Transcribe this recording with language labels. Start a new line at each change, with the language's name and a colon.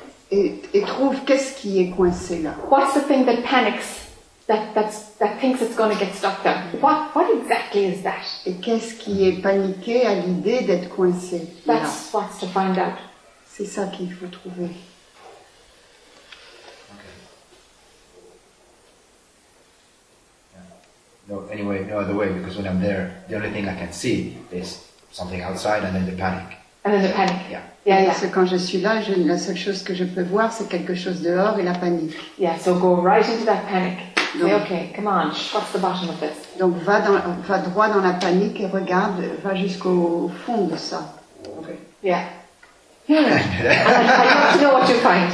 French: Et trouve qu'est-ce qui est coincé là.
English: What's the thing that panics? That thinks it's going to get stuck there. What exactly is that?
French: Et qu'est-ce qui est paniqué à l'idée d'être coincé?
English: That's what's to find out.
French: C'est ça qu'il faut trouver.
English: Okay. Yeah. No, anyway, no other way, because when I'm there, the only thing I can see is something outside and then the panic. And then the panic. Yeah.
French: Parce que quand je suis là, la seule chose que je peux voir, c'est quelque chose dehors et la panique.
English: Yeah, so go right into that panic.
French: Donc,
English: okay, come on, what's the bottom of this?
French: Donc va droit dans la panique et regarde, va jusqu'au fond de ça.
English: Okay. Yeah. Yeah. I want to know what you find.